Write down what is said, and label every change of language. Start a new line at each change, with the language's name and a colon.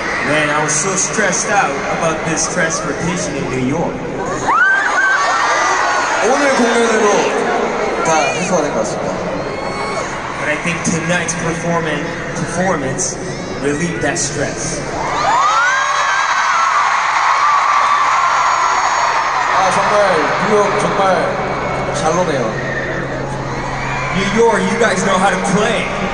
English: Man, I was so stressed out about this transportation in New York.
Korean: 오늘 공연으로 다 해소가 될 것 같습니다.
English: But I think tonight's performance relieved that stress.
Korean: 아 정말 뉴욕 정말 잘 노네요.
English: New York, you guys know how to play.